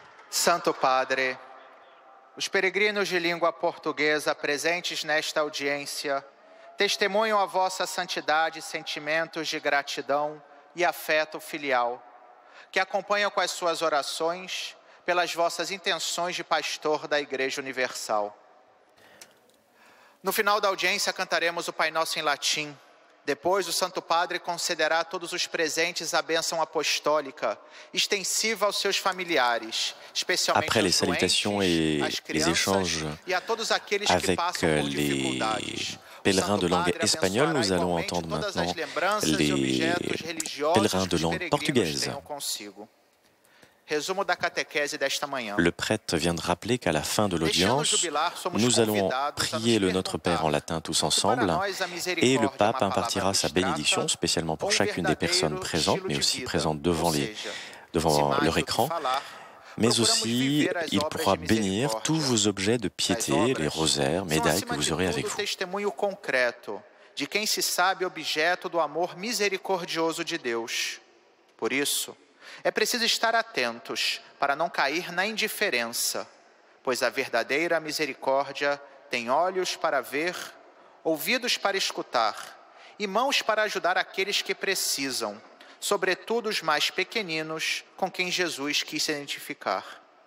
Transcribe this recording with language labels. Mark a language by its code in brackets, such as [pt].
[pt] Santo Padre, os peregrinos de língua portuguesa presentes nesta audiência testemunham a vossa santidade, sentimentos de gratidão e afeto filial, que acompanham com as suas orações pelas vossas intenções de pastor da Igreja Universal. No final da audiência cantaremos o Pai Nosso em latim. Depois, o Santo Padre concederá a todos os presentes a bênção apostólica, extensiva aos seus familiares, especialmente [fr] après les salutations et les échanges avec les pèlerins de langue espagnole, nous allons entendre maintenant les pèlerins de langue portugaise. [pt] Résumo da catequese desta manhã. [fr] Le prêtre vient de rappeler qu'à la fin de l'audience, nous allons prier le Notre Père en latin tous ensemble, et le pape impartira sa bénédiction spécialement pour chacune des personnes présentes, mais aussi présentes devant leur écran. Mais aussi, il pourra bénir tous vos objets de piété, les rosaires, médailles que vous aurez avec vous. [pt] Testemunho concreto de quem se sabe objeto do amor misericordioso de Deus. Por isso, é preciso estar atentos para não cair na indiferença, pois a verdadeira misericórdia tem olhos para ver, ouvidos para escutar e mãos para ajudar aqueles que precisam, sobretudo os mais pequeninos com quem Jesus quis se identificar.